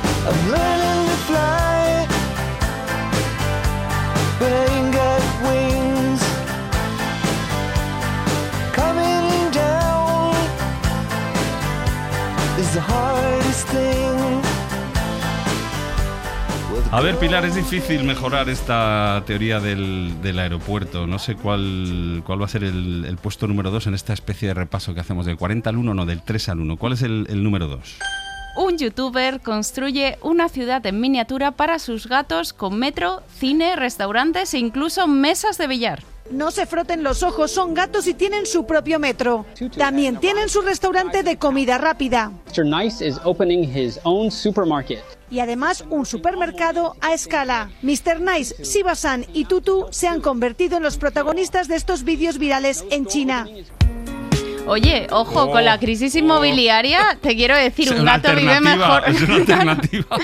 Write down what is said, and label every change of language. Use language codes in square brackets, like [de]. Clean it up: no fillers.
[en] I'm learning to fly, but I ain't got wings. Coming down is the hardest thing. [es] A ver, Pilar, es difícil mejorar esta teoría del aeropuerto. No sé cuál va a ser el puesto número 2 en esta especie de repaso que hacemos del 40 al 1, no, del 3 al 1. ¿Cuál es el número 2? Un youtuber construye una ciudad en miniatura para sus gatos con metro, cine, restaurantes e incluso mesas de billar. No se froten los ojos, son gatos y tienen su propio metro. También tienen su restaurante de comida rápida. [en] Mr. Nice is opening his own supermarket. [es] Y además un supermercado a escala. Mr. Nice, Sibasan y Tutu se han convertido en los protagonistas de estos vídeos virales en China. Oye, ojo, con la crisis inmobiliaria, te quiero decir, un gato vive mejor. Es una alternativa.